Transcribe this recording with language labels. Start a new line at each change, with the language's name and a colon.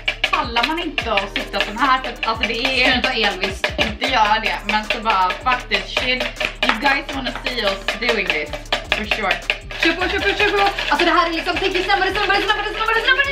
Swedish: Pallar man inte att sitta så här? För att, alltså det är ju inte att Elvis inte göra det. Men så bara,
English: fuck this shit. You guys wanna see us doing this. For sure.
Swedish: Kör på, kör på, kör på. Alltså det här är liksom, tänk snabbare, snabbare, snabbare, snabbare, snabbare, snabbare.